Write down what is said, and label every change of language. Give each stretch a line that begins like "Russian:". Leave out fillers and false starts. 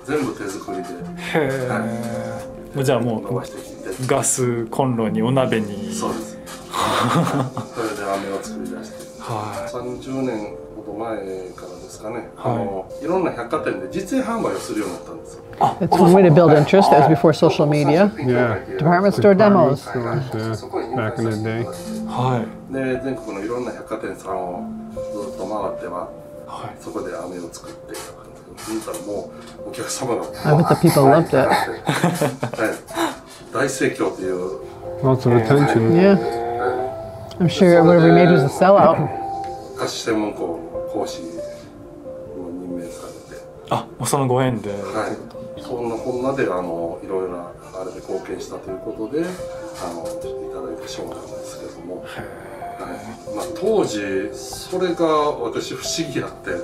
Japanese: 全部手作りで、へえ、はい、じゃあもうガスコンロにお鍋に、そうです。それで飴を作り出して、はい、 30年ほど前からですね。ですかね。はい。いろんな百貨店で実演販売をするようになったんです。
English: It's one way to build interest, as before social media. Yeah. Department store demos. Back in the day.
Japanese: はい。で、全国のいろんな百貨店さんをずっと回っては、そこで飴を作って、見たらもうお客様が、
English: I bet the people loved it.
Japanese: 大盛況っていう。
English: Lots of attention. Yeah. I'm sure whatever we made was a sellout.
Japanese: 菓子専門校講師を任命されて。あ、もうそのご縁で。はい。そんなこんなで、いろいろあれで貢献したということで、いただいた賞なんですけども。はい。まあ、当時、それが私不思議やって。